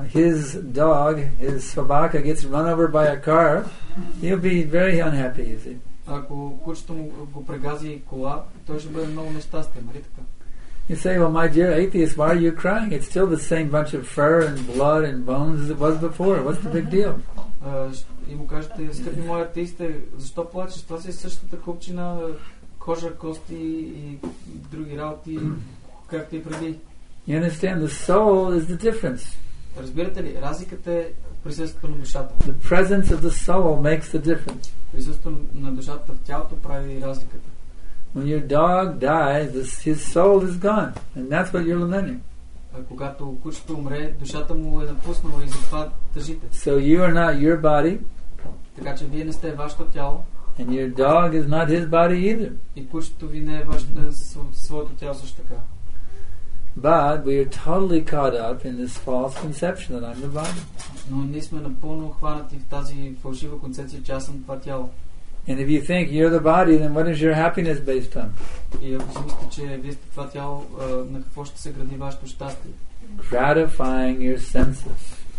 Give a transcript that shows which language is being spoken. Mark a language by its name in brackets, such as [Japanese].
[English] If his собака gets run over by a car, he'll be very unhappy, you see. [Bulgarian] Ако кучето му го прегази кола, той ще бъде много нещастен, нали така? [English] You say, well, my dear atheist, why are you crying? It's still the same bunch of fur and blood and bones as it was before. What's the big deal? [Bulgarian] И му кажете, скъпи мой атеист, защо плачеш? Това си е същата купчина, кожа, кости и други работи, както и преди. [English] You understand? The soul is the difference. [Bulgarian] Разбирате ли? Разликата е присъствието на душата. [English] The presence of the soul makes the difference. [Bulgarian] Присъствието на душата в тялото прави разликата. [English] When your dog dies, his soul is gone. And that's what you're learning. [Bulgarian] Когато кучето умре, душата му е напуснала и затова тъжите. [English] So you are not your body. [Bulgarian] Така че вие не сте вашето тяло. [English] And your dog is not his body either. [Bulgarian] И кучето ви не е своето тяло също така. [English] But we are totally caught up in this false conception that I'm the body. [Bulgarian] Но ние сме напълно хванати в тази фалшива концепция, че аз съм това тяло. [English] And if you think you're the body, then what is your happiness based on? [Bulgarian] И ако си мислите, че вие сте това тяло, на какво ще се гради вашето щастие? [English] gratifying your senses.